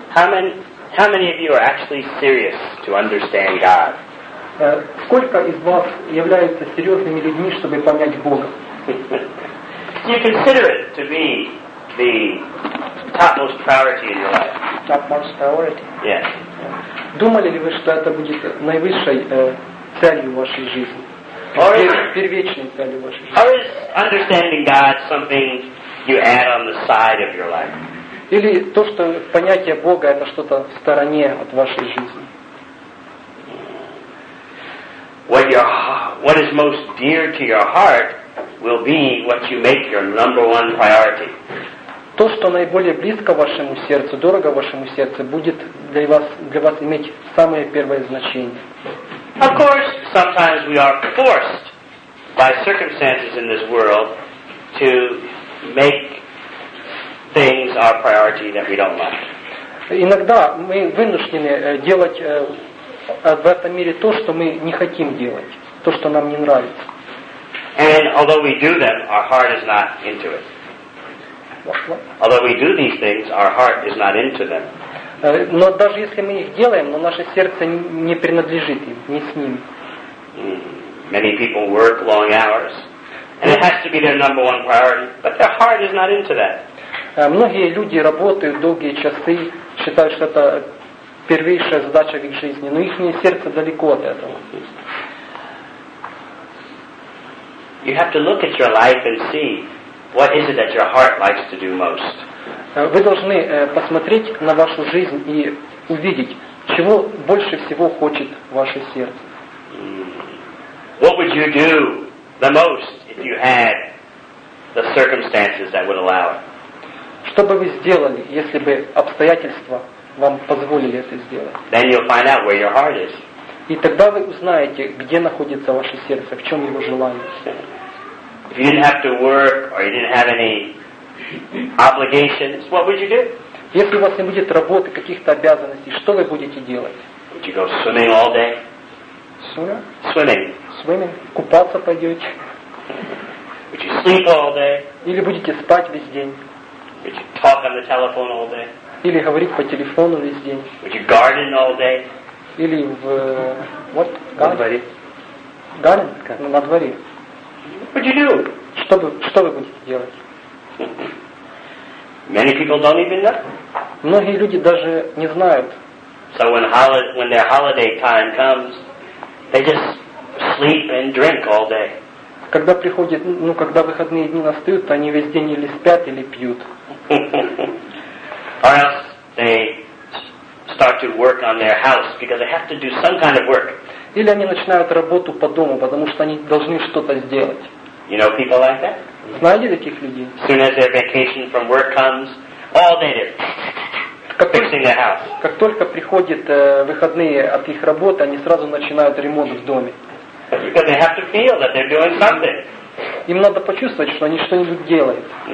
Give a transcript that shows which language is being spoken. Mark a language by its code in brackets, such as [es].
[en] How many of you are actually serious to understand God? [ru] Сколько из вас являются серьезными людьми, чтобы понять Бога? [en] You consider it to be the topmost priority in your life. Topmost priority? Yes. [ru] Думали ли вы, что это будет наивысшей целью вашей жизни? Первичной целью вашей жизни? [en] Or is understanding God something you add on the side of your life? [ru] Или то, что понятие Бога — это что-то в стороне от вашей жизни? [en] What is most dear to your heart will be what you make your number one priority. [ru] То, что наиболее близко вашему сердцу, дорого вашему сердцу, будет для вас иметь самое первое значение. [en] Of course, sometimes we are forced by circumstances in this world to make things our priority that we don't like. [ru] Иногда мы вынуждены делать в этом мире то, что мы не хотим делать, то, что нам не нравится. [en] And although we do them, our heart is not into it. Although we do these things, our heart is not into them. [ru] Но даже если мы их делаем, но наше сердце не принадлежит им, не с ним. [en] Many people work long hours, and it has to be their number one priority, but their heart is not into that. [ru] Многие люди работают долгие часы, считают, что это первейшая задача в их жизни, но их сердце далеко от этого. [en] You have to look at your life and see what is it that your heart likes to do most. [ru] Вы должны посмотреть на вашу жизнь и увидеть, чего больше всего хочет ваше сердце. [en] What would you do the most if you had the circumstances that would allow it? [ru] Что бы вы сделали, если бы обстоятельства вам позволили это сделать? [en] Then you'll find out where your heart is. [ru] И тогда вы узнаете, где находится ваше сердце, в чем его желание. [en] If you didn't have to work or you didn't have any obligations, what would you do? [ru] Если у вас не будет работы, каких-то обязанностей, что вы будете делать? [en] Would you go swimming all day? Swimming. Swimming. [ru] Купаться пойдете? [en] Would you sleep all day? [ru] Или будете спать весь день? [en] Would you talk on the telephone all day? [ru] Или говорить по телефону весь день. [en] Would you garden all day? [ru] Или в... [en] What? Garden? [ru] На дворе. [en] Garden? [ru] На дворе. [en] What would you do? [ru] Что вы будете делать? [en] Many people don't even know. [ru] Многие люди даже не знают. [en] So when their holiday time comes, they just sleep and drink all day. [ru] Когда приходит, ну, когда выходные дни настают, то они весь день или спят, или пьют. [en] Or else they start to work on their house because they have to do some kind of work. [ru] Или они начинают работу по дому, потому что они должны что-то сделать. [en] You know people like that? [ru] Знаете таких людей? [en] As soon as their vacation from work comes, all they do fixing their house. [ru] Как только приходят выходные от их работы, они сразу начинают ремонт в доме. [en] Because they have to feel that they're doing something. [ru] Им надо почувствовать, что они что-нибудь делают.